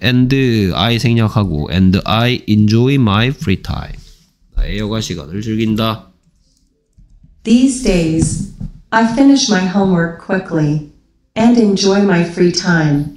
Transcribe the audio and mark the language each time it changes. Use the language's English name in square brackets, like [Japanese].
[English] And I [Korean] 생략하고 [English] and I enjoy my free time. [Korean] 나의 여가 시간을 즐긴다. [English] These days, I finish my homework quickly and enjoy my free time.